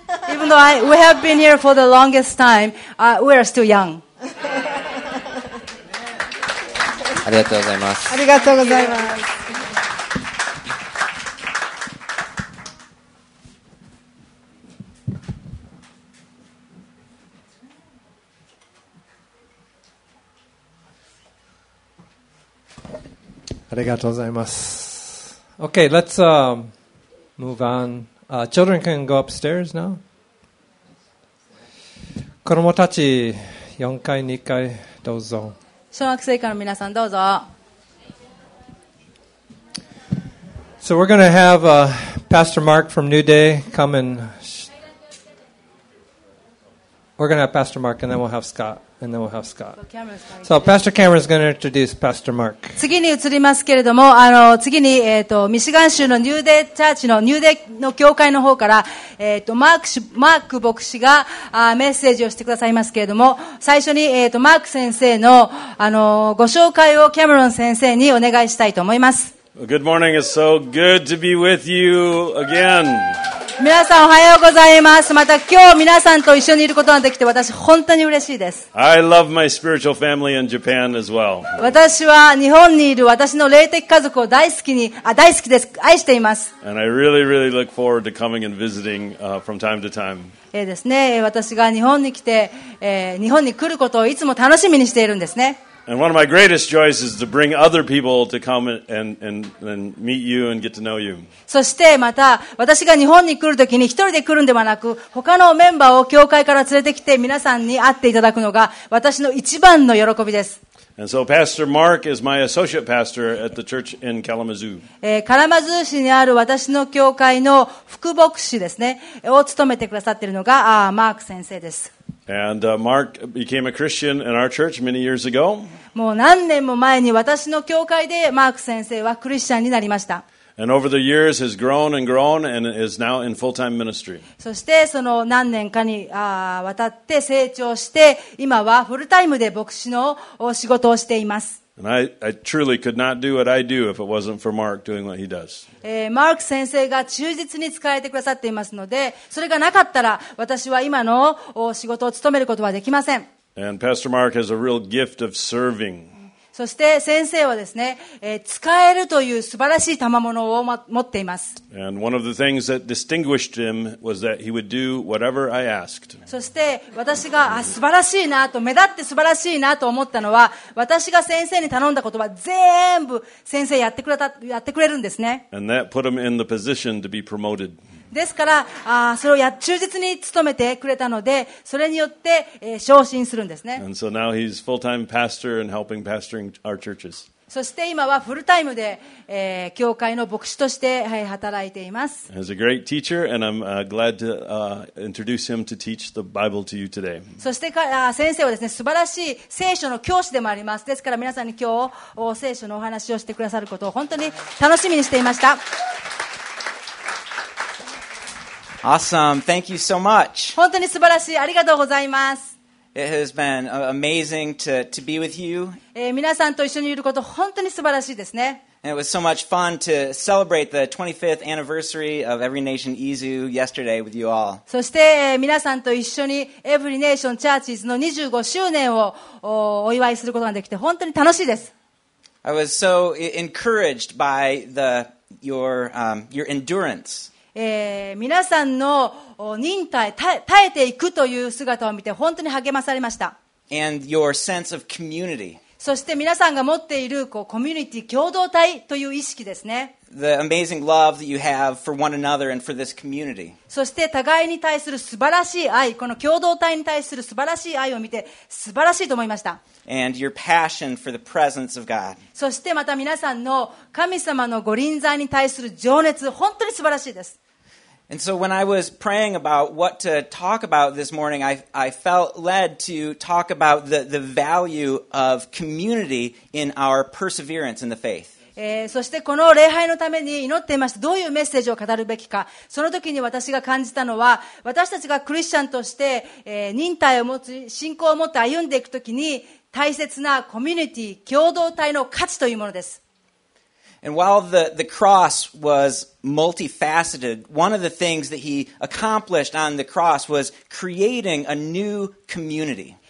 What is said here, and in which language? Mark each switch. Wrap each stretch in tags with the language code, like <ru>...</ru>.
<en>Even though we have been here for the longest time, we are still young.</en> <ja>ありがとうございます。ありがとうございます。ありがとうございます。</ja> <en>Okay, let's move on. Children can go upstairs now.</en> <ja>子供たち4階、2階どうぞ。小学生から皆さんどうぞ。</ja> <en>So we're going to have Pastor Mark from New Day come and we're going to have Pastor Mark and then we'll have Scott. And then we'll have Scott. So Pastor Cameron is going to introduce Pastor Mark.</en> <ja>次に移りますけれども、次に、ミシガン州のニューデーチャーチのニューデーの教会の方から、マーク牧師がメッセージをしてくださいますけれども、最初に、マーク先生の、ご紹介をキャメロン先生にお願いしたいと思います。</ja> <en>Good morning. It's so good to be with you again.</en> <ja>皆さんおはようございます。また今日皆さんと一緒にいることができて私本当に嬉しいです。</ja> <en>I love my spiritual family in Japan as well.</en> <ja>私は日本にいる私の霊的家族を大好きです。愛しています。</ja> <en>And I really, really look forward to coming and visiting, from time to time.</en> <ja>ですね。私が日本に来て、日本に来ることをいつも楽しみにしているんですね。</ja> <en>And one of my greatest joys is to bring other people to come and meet you and get to know you.</en> <ja>そしてまた私が日本に来るときに一人で来るんではなく他のメンバーを教会から連れてきて皆さんに会っていただくのが私の一番の喜びです。</ja> <en>And so Pastor Mark is my associate pastor at the church in Kalamazoo.</en> <ja>Kalamazoo 市にある私の教会の副牧師ですねを務めてくださっているのがマーク先生です。</ja> <en>And Mark became a Christian in our church many years ago.</en> <ja>もう何年も前に私の教会でマーク先生はクリスチャンになりました。</ja> <en>And over the years has grown and grown and is now in full-time ministry.</en> <ja>そしてその何年かにわたって成長して今はフルタイムで牧師の仕事をしています。</ja> <en>And I truly could not do what I do if it wasn't for Mark doing what he does.</en> <ja>マーク先生が忠実に使えてくださっていますので、それがなかったら私は今の仕事を務めることはできません。</ja> <en>And Pastor Mark has a real gift of serving.</en> <ja>そして先生はですね、使えるという素晴らしい賜物を持っています。</ja> <en>And one of the things that distinguished him was that he would do whatever I asked.</en> <ja>そして私が素晴らしいなと、目立って素晴らしいなと思ったのは、私が先生に頼んだことは全部先生やってくれるんですね。</ja> <en>And that put him in the position to be promoted.</en> <ja>ですから、それを忠実に務めてくれたので、それによって、昇進するんですね。</ja> <en>And so now he's full-time pastor and helping pastoring our churches.</en> <ja>そして今はフルタイムで、教会の牧師として、働いています。</ja> <en>He's a great teacher and I'm glad to introduce him to teach the Bible to you today.</en> <ja>そして先生はですね、素晴らしい聖書の教師でもあります。ですから皆さんに今日、聖書のお話をしてくださることを本当に楽しみにしていました。</ja> <en>Awesome. Thank you so much.</en> <ja>本当に素晴らしい。ありがとうございます。</ja> <en>It has been amazing to be with you.</en> <ja>皆さんと一緒にいること本当に素晴らしいですね。</ja> <en>And it was so much fun to celebrate the 25th anniversary of Every Nation Izu yesterday with you all.</en> <ja>そして、皆さんと一緒に Every Nation Churches の25周年を お祝いすることができて本当に楽しいです。</ja> <en>I was so encouraged by your endurance.</en> <ja>皆さんの忍耐、耐えていくという姿を見て本当に励まされました。</ja> <en>And your sense of community.</en> <ja>そして皆さんが持っているこうコミュニティ、共同体という意識ですね。</ja> <en>The amazing love that you have for one another and for this community.</en> <ja>そして互いに対する素晴らしい愛、この共同体に対する素晴らしい愛を見て素晴らしいと思いました。</ja> <en>And your passion for the presence of God.</en> <ja>そしてまた皆さんの神様のご臨在に対する情熱、本当に素晴らしいです。</ja> <en>And so when I was praying about what to talk about this morning, I felt led to talk about the value of community in our perseverance in the faith.</en> <ja>そしてこの礼拝のために祈っていました。どういうメッセージを語るべきか。その時に私が感じたのは、私たちがクリスチャンとして、忍耐を持つ、信仰を持って歩んでいくときに、大切なコミュニティ、共同体の価値というものです。</ja> <en>And while the cross was multifaceted, one of the things that he accomplished on the cross was creating a new community.</en>